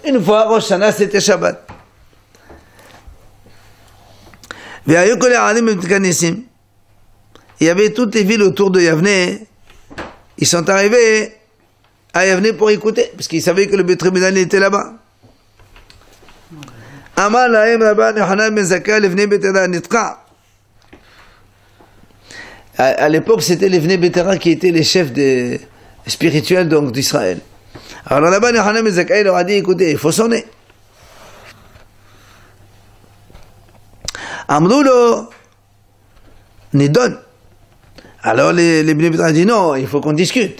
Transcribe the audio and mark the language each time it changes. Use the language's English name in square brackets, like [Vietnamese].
[French] Une fois, Rosh Hashanah, c'était Shabbat. Il y avait toutes les villes autour de Yavne, ils sont arrivés à Yavne pour écouter, parce qu'ils savaient que le tribunal était là-bas. [Hebrew] אמר להם רבן יוחנן בן זכאי לבני בית הרא נתקע. [French] À l'époque, c'était לבני בית הרא qui était le chef spirituel donc d'Israël. Alors רבן יוחנן בן זכאי leur a dit, écoutez, il faut sonner. [Hebrew] אמרו לו, נידון. [French] Alors les bnei Bitra disent non, il faut qu'on discute.